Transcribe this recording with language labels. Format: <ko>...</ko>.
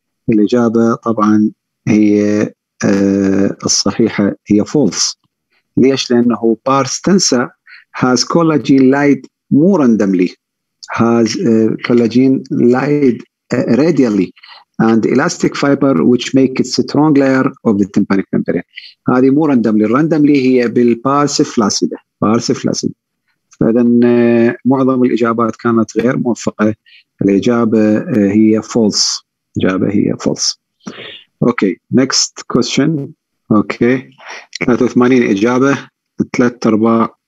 <ar>الإجابة طبعا هي الصحيحة هي false. ليش؟ لأنه</ar> <en>parse tensor has collagen laid more randomly, has collagen laid radially, and elastic fiber which make it a strong layer of the tympanic membrane.</en> <ar>هذه</ar> <en>more randomly.</en> <ar>Randomly هي بالبارس فلاسيدة. بارس فلاسيدة. فإذن معظم الإجابات كانت غير موفقة. الإجابة هي false. إجابة هي false.</ar> <en>Okay, next question. Okay. 83</en> <ar>إجابة. 3 أرباع.</ar>